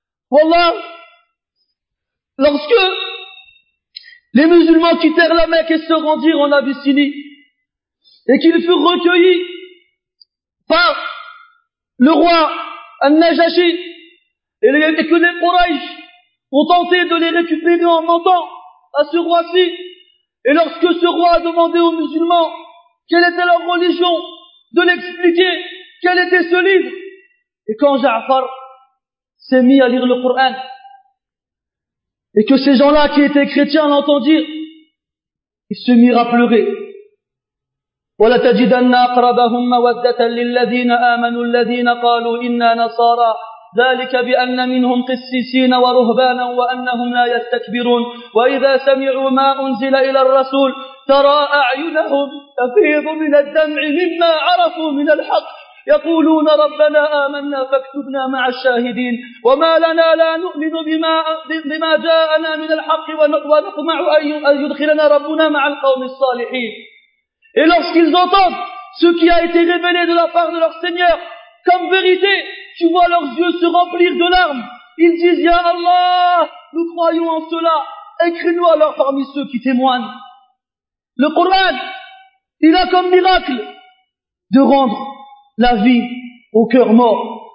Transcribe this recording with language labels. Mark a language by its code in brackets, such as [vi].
[fr] Wallah, lorsque les musulmans quittèrent la Mecque et se rendirent en Abyssinie, et qu'ils furent recueillis par le roi An-Najashi, et que les Quraysh ont tenté de les récupérer en mentant à ce roi-ci, et lorsque ce roi a demandé aux musulmans quelle était leur religion, de l'expliquer quel était ce livre, et quand Ja'far s'est mis à lire le Coran, et que ces gens-là qui étaient chrétiens l'entendirent, ils se mirent à pleurer. [ar] ولتجدن أقربهم مودة للذين آمنوا الذين قالوا إنا نصارى ذلك بأن منهم قسيسين ورهبانا وأنهم لا يستكبرون وإذا سمعوا ما أنزل إلى الرسول ترى أعينهم تفيض من الدمع مما عرفوا من الحق يقولون ربنا آمنا فاكتبنا مع الشاهدين وما لنا لا نؤمن بما جاءنا من الحق ونطمع أن يدخلنا ربنا مع القوم الصالحين. [fr] Et lorsqu'ils entendent ce qui a été révélé de la part de leur Seigneur comme vérité, tu vois leurs yeux se remplir de larmes. Ils disent, Ya Allah, nous croyons en cela. Écris-nous alors parmi ceux qui témoignent. Le Coran, il a comme miracle de rendre la vie au cœur mort.